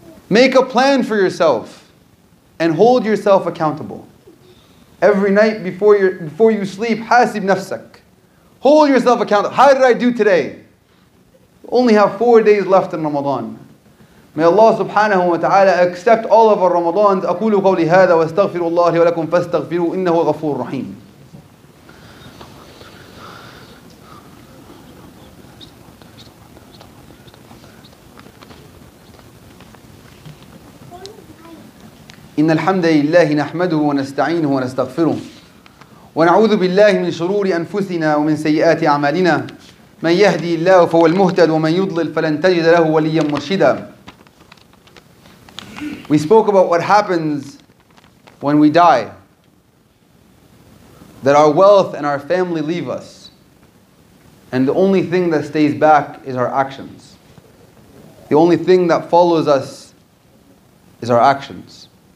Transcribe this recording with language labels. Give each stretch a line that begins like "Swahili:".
English: Make a plan for yourself and hold yourself accountable. Every night before you sleep,
Arabic: hasib nafsak.
English: Hold yourself accountable. How did I do today? Only have 4 days left in Ramadan. May Allah subhanahu wa ta'ala accept all of our Ramadans.
Arabic: أَقُولُ قَوْلِ هَذَا وَاسْتَغْفِرُ اللَّهِ وَلَكُمْ فَاسْتَغْفِرُوا إِنَّهُ غَفُورٌ رَحِيمٌ إن الحمد لله نحمده ونستعينه ونستغفره ونعوذ بالله من شرور أنفسنا ومن سيئات أعمالنا من يهدي الله فهو المهتد ومن يضلل فلن تجد له وليا مرشدا.
English: We spoke about what happens when we die. That our wealth and our family leave us. And the only thing that stays back is our actions. The only thing that follows us is our actions.